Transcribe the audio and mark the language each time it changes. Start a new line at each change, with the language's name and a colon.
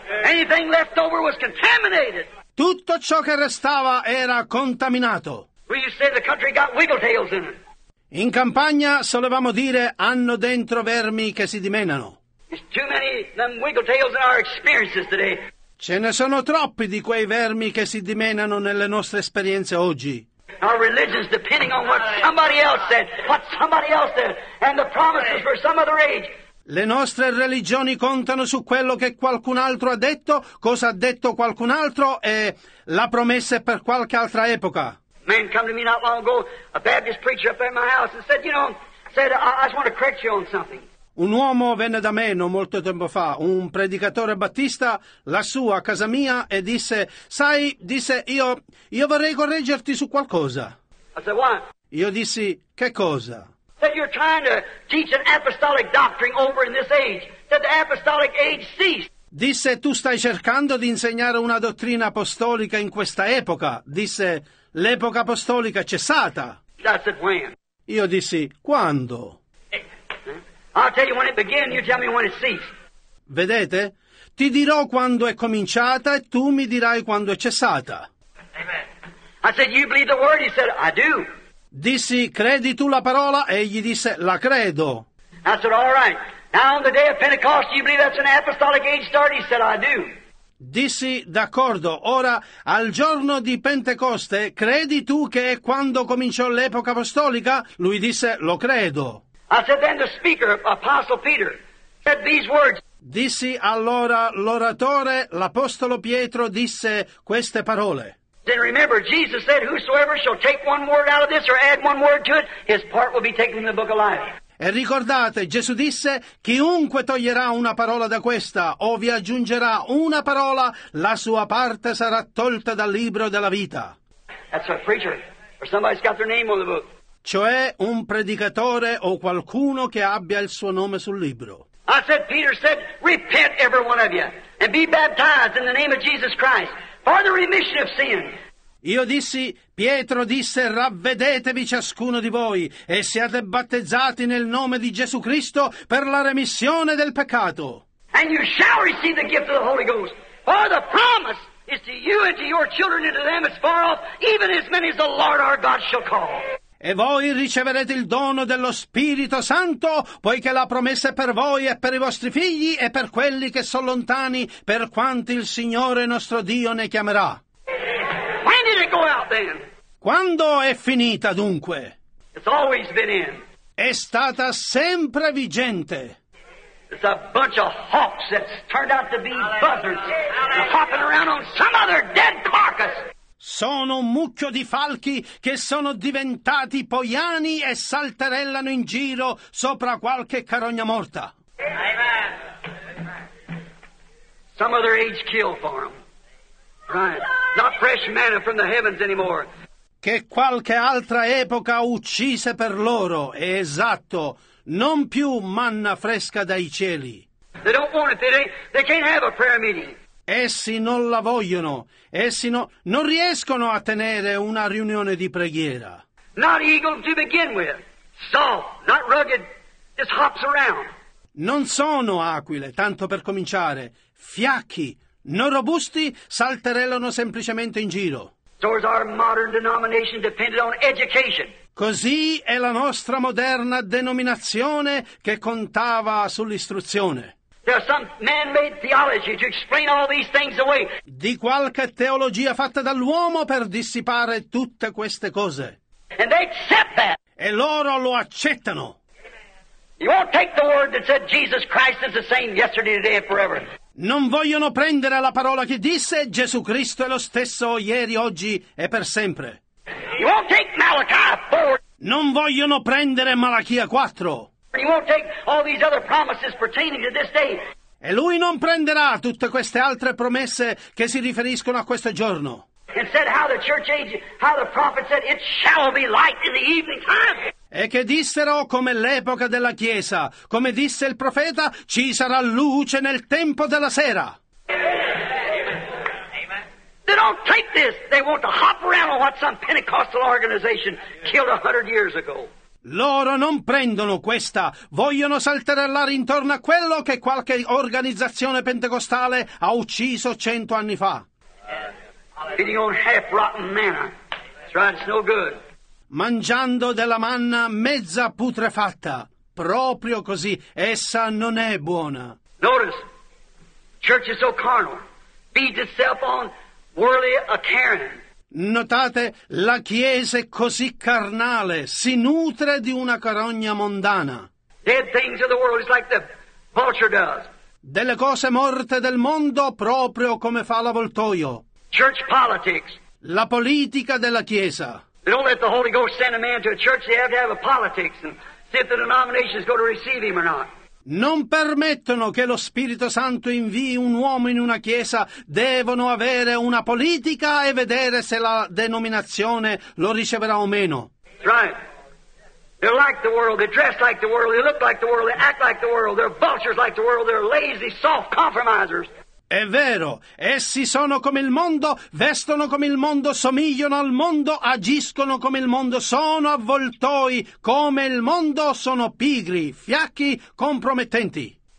English: Anything left over was contaminated.
Italian: Tutto ciò che restava era contaminato.
English: We say the country got wiggletails in it.
Italian: In campagna solevamo dire hanno dentro vermi che si dimenano.
English: There's too many them wiggletails in our experiences today.
Italian: Ce ne sono troppi di quei vermi che si dimenano nelle nostre esperienze oggi.
English: Our religion's depending on what somebody else said, what somebody else said, and the promises for some other age.
Italian: Le nostre religioni contano su quello che qualcun altro ha detto, cosa ha detto qualcun altro, e la promessa è per qualche altra epoca.
English: Man come to me not long ago, a Baptist preacher up at my house, and said, you know, said, I just want to correct you on something.
Italian: Un uomo venne da me non molto tempo fa, un predicatore battista, lassù a casa mia, e disse, sai, disse, io vorrei correggerti su qualcosa.
English: I said, what?
Italian: Io dissi, che cosa?
English: Said, you're trying to teach an apostolic doctrine over in this age. Said, the apostolic age ceased.
Italian: Disse, tu stai cercando di insegnare una dottrina apostolica in questa epoca. Disse, l'epoca apostolica è cessata.
English: I said, when?
Italian: Io dissi, quando?
English: I'll tell you when it began, you tell me when it ceased.
Italian: Vedete? Ti dirò quando è cominciata e tu mi dirai quando è cessata.
English: Amen. I said, you believe the word? He said, I do.
Italian: Dissi, credi tu la parola? E gli disse, la credo.
English: I said, all right. Now on the day of Pentecost, you believe that's an apostolic age start? He said, I do.
Italian: Dissi, d'accordo. Ora, al giorno di Pentecoste, credi tu che è quando cominciò l'epoca apostolica? Lui disse, lo credo.
English: I said, then the speaker, Apostle Peter, said these words.
Italian: Dissi allora l'oratore, l'Apostolo Pietro, disse queste parole.
English: Then remember, Jesus said, whosoever shall take one word out of this or add one word to it, his part will be taken in the book of life.
Italian: E ricordate, Gesù disse, chiunque toglierà una parola da questa o vi aggiungerà una parola, la sua parte sarà tolta dal libro della vita.
English: That's a preacher, or somebody's got their name on the book.
Italian: Cioè un predicatore o qualcuno che abbia il suo nome sul libro.
English: I said, Peter said, repent every one of you and be baptized in the name of Jesus Christ for the remission of sin.
Italian: Io dissi, Pietro disse, ravvedetevi ciascuno di voi e siate battezzati nel nome di Gesù Cristo per la remissione del peccato.
English: And you shall receive the gift of the Holy Ghost, for the promise is to you and to your children and to them as far off, even as many as the Lord our God shall call.
Italian: E voi riceverete il dono dello Spirito Santo, poiché la promessa è per voi e per i vostri figli e per quelli che sono lontani, per quanti il Signore nostro Dio ne chiamerà.
English: When did it go out then?
Italian: Quando è finita dunque?
English: It's always been in.
Italian: È stata sempre vigente.
English: It's a bunch of hawks that's turned out to be buzzards. They're hopping around on some other dead carcass.
Italian: Sono un mucchio di falchi che sono diventati poiani e salterellano in giro sopra qualche carogna morta.
English: Amen. some other age kill for them. Right. Not fresh manna from the heavens anymore.
Italian: Che qualche altra epoca uccise per loro, è esatto, non più manna fresca dai cieli.
English: They don't want it. They can't have a prayer meeting.
Italian: Essi non la vogliono. Essi non riescono a tenere una riunione di preghiera.
English: Not eagle to begin with. Soft, not rugged, just hops around.
Italian: Non sono aquile, tanto per cominciare. Fiacchi, non robusti, salterellano semplicemente in giro.
English: So is our modern denomination dependent on education.
Italian: Così è la nostra moderna denominazione che contava sull'istruzione.
English: There's some man-made theology to explain all these things away.
Italian: Di qualche teologia fatta dall'uomo per dissipare tutte queste cose.
English: And they accept that.
Italian: E loro lo accettano.
English: You won't take the word that said Jesus Christ is the same yesterday, today, and forever.
Italian: Non vogliono prendere la parola che disse Gesù Cristo è lo stesso ieri, oggi e per sempre.
English: You won't take Malachi 4.
Italian: Non vogliono prendere Malachia 4.
English: You won't take all these other promises pertaining to this day.
Italian: E lui non prenderà tutte queste altre promesse che si riferiscono a questo giorno.
English: Instead, how the church age, how the prophet said, it shall be light in the evening time.
Italian: E che dissero come l'epoca della chiesa, come disse il profeta, ci sarà luce nel tempo della sera.
English: They don't take this. They want to hop around on what some Pentecostal organization killed 100 years ago.
Italian: Loro non prendono questa, vogliono saltellare intorno a quello che qualche organizzazione pentecostale ha ucciso 100 anni fa.
English: Eating on half-rotten manna. That's right, it's no good.
Italian: Mangiando della manna mezza putrefatta, proprio così, essa non è buona.
English: Notice, church is so carnal, feeds itself on worldly acarin.
Italian: Notate, la chiesa è così carnale, si nutre di una carogna mondana.
English: Dead things of the world is like the vulture does.
Italian: Delle cose morte del mondo, proprio come fa l'avvoltoio.
English: Church politics.
Italian: La politica della chiesa.
English: They don't let the Holy Ghost send a man to a church. They have to have a politics and see if the denomination is going to receive him or not.
Italian: Non permettono che lo Spirito Santo invii un uomo in una chiesa. Devono avere una politica e vedere se la denominazione lo riceverà o meno.
English: Right. They're like the world. They dress like the world. They look like the world. They act like the world. They're vultures like the world. They're lazy, soft compromisers.
Italian: È vero, essi sono come il mondo, vestono come il mondo, somigliano al mondo, agiscono come il mondo, sono avvoltoi come il mondo, sono pigri, fiacchi, compromettenti.